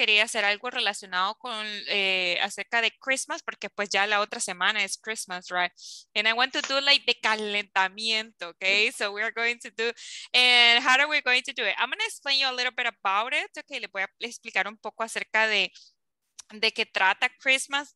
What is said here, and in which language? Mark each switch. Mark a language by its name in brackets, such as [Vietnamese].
[Spanish] Quería hacer algo relacionado con acerca de Christmas, porque pues ya la otra semana es Christmas, right? [English] And I want to do like the calentamiento, okay? So we are going to do, and how are we going to do it? I'm going to explain you a little bit about it, okay? [Spanish] Le voy a explicar un poco acerca de qué trata Christmas.